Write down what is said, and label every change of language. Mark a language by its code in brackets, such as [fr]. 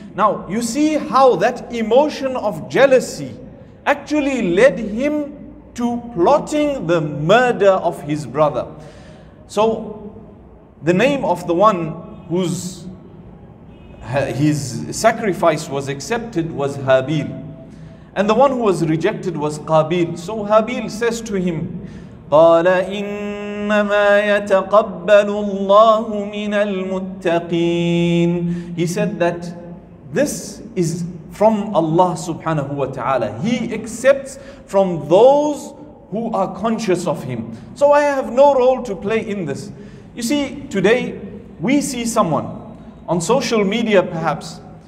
[en] Now, you see how that emotion of jealousy actually led him to plotting the murder of his brother. So, the name of the one whose his sacrifice was accepted was Habil. And the one who was rejected was Qabil. So Habil says to him, [ar] قَالَ إِنَّمَا يَتَقَبَّلُ اللَّهُ مِنَ الْمُتَّقِينَ. [en] He said that this is from Allah subhanahu wa ta'ala. He accepts from those who are conscious of him. So I have no role to play in this. You see, today we see someone on social media perhaps.